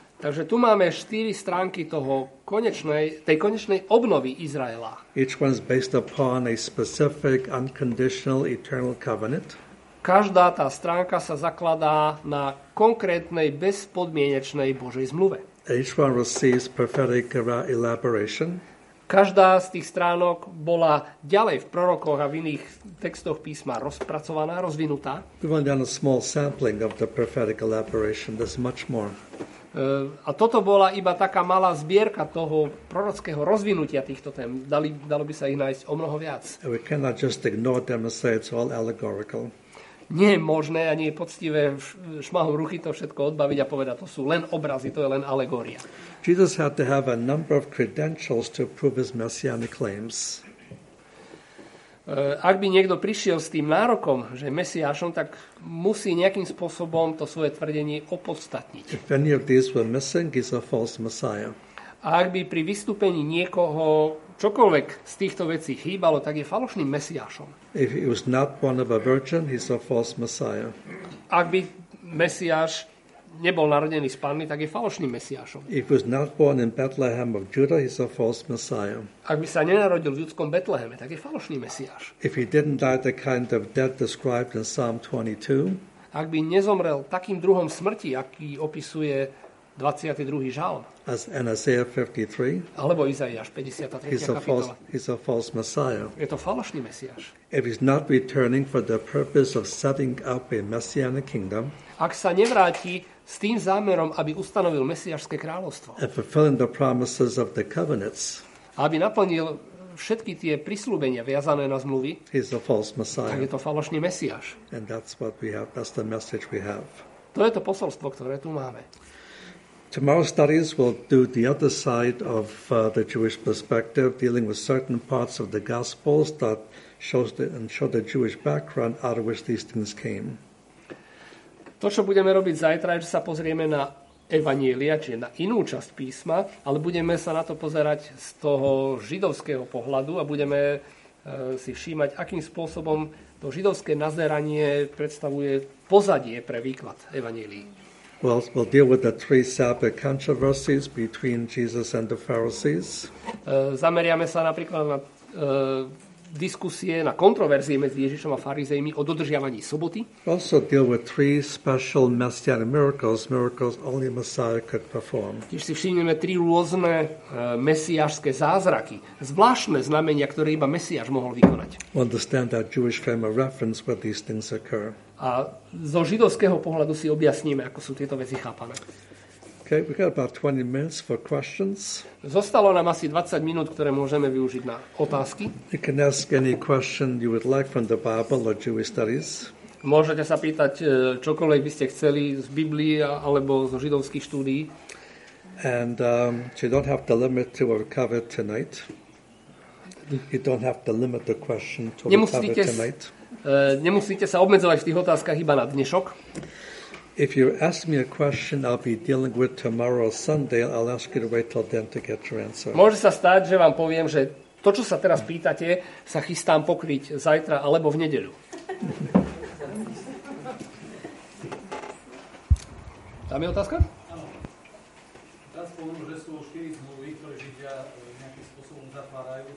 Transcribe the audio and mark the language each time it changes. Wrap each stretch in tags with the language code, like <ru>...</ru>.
<sk>Takže tu máme štyri stránky toho konečnej obnovy Izraela.</sk> <en>Each one is based upon a specific, unconditional, eternal covenant.</en> <sk>Každá tá stránka sa zakladá na konkrétnej, bezpodmienečnej Božej zmluve.</sk> <en>Each one receives prophetic elaboration.</en> <sk>Každá z tých stránok bola ďalej v prorokoch a v iných textoch písma rozpracovaná, rozvinutá.</sk> <en>We've only done a small sampling of the prophetic elaboration. There's much more.</en> <sk>A toto bola iba taká malá zbierka toho prorockého rozvinutia týchto tém. Dalo by sa ich nájsť o mnoho viac.</sk> <en>We cannot just ignore them and say it's all allegorical.</en> <sk>Nie je možné ani je poctivé šmahom ruchy to všetko odbaviť a povedať, to sú len obrazy, to je len alegória.</sk> <en>Jesus had to have a number of credentials to prove his messianic claims.</en> <sk>Ak by niekto prišiel s tým nárokom, že je Mesiášom, tak musí nejakým spôsobom to svoje tvrdenie opodstatniť.</sk> <en>If any of these were missing, he's a false messiah.</en> <sk>A ak by pri vystúpení niekoho čokoľvek z týchto vecí chýbalo, tak je falošným Mesiášom.</sk> <en>If he was not born of a virgin, he's a false messiah.</en> <sk>Ak by Mesiáš nebol narodený z panny, tak je falošným Mesiášom.</sk> <en>If he was not born in Bethlehem of Judah, he's a false messiah.</en> <sk>Ak by sa nenarodil v judskom Betleheme, tak je falošný Mesiáš.</sk> <en>If he didn't die the kind of death described in Psalm 22,</en> <sk>ak by nezomrel takým druhom smrti, aký opisuje 22. žalm,</sk> <en>as in Isaiah 53,</en> <sk>alebo Izaiáš 53. kapitola,</sk> <en>he's a false messiah.</en> <sk>Je to falošný Mesiáš.</sk> <en>If he's not returning for the purpose of setting up a messianic kingdom,</en> <sk>ak sa nevráti s tým zámerom, aby ustanovil mesiašské kráľovstvo.</sk> <en>And fulfilling the promises of the covenants.</en> <sk>Aby naplnil všetky tie prislúbenia viazané na zmluvy.</sk> <en>He's a false messiah.</en> <sk>Tak je to falošný mesiaš.</sk> <en>And that's what we have, that's the message we have.</en> <sk>To je to posolstvo, ktoré tu máme.</sk> <en>Tomorrow's studies will do the other side of the Jewish perspective, dealing with certain parts of the Gospels that shows the, and show the Jewish background out of which these things came.</en> <sk>To, čo budeme robiť zajtra, je, že sa pozrieme na evanjelia, čiže na inú časť písma, ale budeme sa na to pozerať z toho židovského pohľadu a budeme si všímať, akým spôsobom to židovské nazeranie predstavuje pozadie pre výklad evanjelií.</sk> <en>Well, we'll deal with the three Sabbath controversies between Jesus and the Pharisees.</en> <sk>Zameriame sa napríklad na diskusie, na kontroverzie medzi Ježišom a farizejmi o dodržiavaní soboty.</sk> <en>Also deal with three special messianic miracles, miracles only Messiah could perform.</en> <sk>Tiež si všimneme tri rôzne mesiášske zázraky, zvláštne znamenia, ktoré iba Mesiáš mohol vykonať.</sk> <en>We understand that Jewish frame of reference where these things occur.</en> <sk>A zo židovského pohľadu si objasníme, ako sú tieto veci chápané.</sk> <en>Okay, we got about 20 minutes for questions.</en> <sk>Zostalo nám asi 20 minút, ktoré môžeme využiť na otázky.</sk> <en>You can ask any question you would like from the Bible or Jewish studies.</en> <sk>Môžete sa pýtať čokoľvek by ste chceli z Biblie alebo zo židovských štúdií.</sk> <en>And you don't have to limit to our cover tonight. You don't have to limit the question to our cover tonight.</en> <sk>Nemusíte sa obmedzovať v tých otázkach iba na dnešok.</sk> <en>If you ask me a question I'll be dealing with tomorrow or Sunday, I'll ask you to wait till then to get your answer.</en> <sk>Môže sa stať, že vám poviem, že to, čo sa teraz pýtate, sa chystám pokryť zajtra alebo v nedeľu. Tam je otázka? Áno. Tam spomenú, že sú 4 zmluvy, ktoré Židia nejakým spôsobom zatvárajú.</sk>